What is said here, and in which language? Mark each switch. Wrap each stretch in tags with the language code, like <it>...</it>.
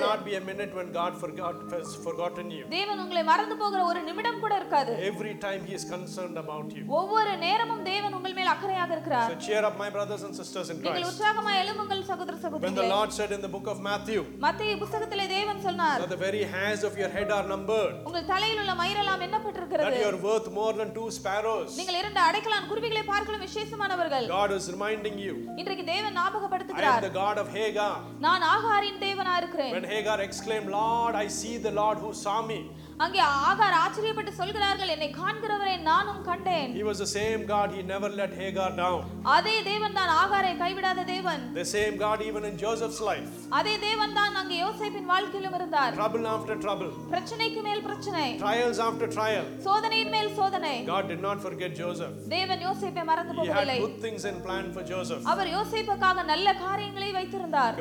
<en>There will not be a minute when God has forgotten you.</en> <ta>தேவன் உங்களை மறந்து போகிற ஒரு நிமிடம் கூட இருக்காது.</ta> <en>Every time he is concerned about you.</en> <ta>ஒவ்வொரு நேரமும் தேவன் உங்கள் மேல் அக்கறையாக இருக்கிறார்.</ta> <en>So cheer up my brothers and sisters in Christ.</en> <ta>நீங்கள் உற்சாகமாய் எழும்புங்கள் சகோதர சகோதரிகளே.</ta> <en>When the Lord said in the book of Matthew.</en> <ta>மத்தேயு புத்தகத்திலே தேவன் சொன்னார்.</ta> <en>That the very hairs of your head are numbered.</en> <ta>உங்கள் தலையில் உள்ள மயிரெல்லாம் எண்ணப்பட்டிருக்கிறது.</ta> <en>That you are worth more than two sparrows.</en> <ta>நீங்கள் இரண்டு அடைக்கலான் குருவிகளை பார்க்கலாம் விசேஷமானவர்கள்.</ta> <en>God is reminding you.</en> <ta>இன்றைக்கு தேவன் ஞாபகப்படுத்துகிறார்.</ta> <en>I am the God of Hagar.</en> <ta>நான் ஆகாரின் தேவனா இருக்கிறேன்.</ta> <en>When Hagar exclaimed, Lord, I see the Lord who saw me.</en> <ta>அங்கே ஆகார் ஆச்சரியப்பட்டு சொல்கிறார்கள், என்னை காண்கிறவரே நானும் கண்டேன்.</ta> <en>He was the same God. He never let Hagar down.</en> <ta>அதே தேவன் தான் ஆகாரை கைவிடாத தேவன்.</ta> <en>The same God even in Joseph's life.</en> <ta>அதே தேவன் தான் அங்கே யோசேப்பின் வாழ்க்கையிலும் இருந்தார்.</ta> <en>Trouble after trouble.</en> <ta>பிரச்சனைக்கு மேல் பிரச்சனை.</ta> <en>Trials after trial.</en> <ta>சோதனையின் மேல் சோதனை.</ta> <en>God did not forget Joseph.</en> <ta>தேவன் யோசேப்பை மறந்து போகவில்லை.</ta> <en>He had good things in plan for Joseph.</en> <ta>அவர் யோசேப்புக்காக நல்ல காரியங்களை வைத்திருந்தார்.</ta>